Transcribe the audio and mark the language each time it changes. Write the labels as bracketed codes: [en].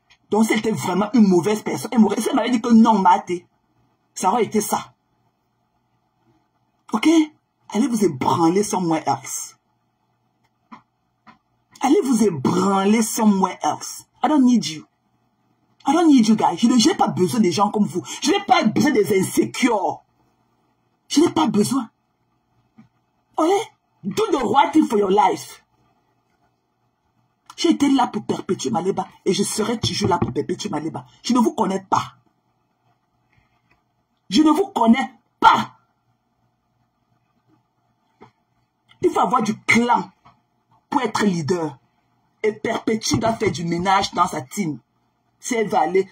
[fr] Donc, si elle était vraiment une mauvaise personne, elle m'avait dit que non, Maté, ça aurait été ça. Ok? Allez vous ébranler [en] somewhere else. [fr] Allez vous ébranler [en] somewhere else. I don't need you. I don't need you, guys. [fr] Je n'ai pas besoin des gens comme vous. Je n'ai pas besoin des insécures. Je n'ai pas besoin. Ok? [en] Do the right thing for your life. [fr] J'ai été là pour Perpétue Malemba et je serai toujours là pour Perpétue Malemba. Je ne vous connais pas. Je ne vous connais pas. Il faut avoir du clan pour être leader. Et Perpétue doit faire du ménage dans sa team. C'est valet.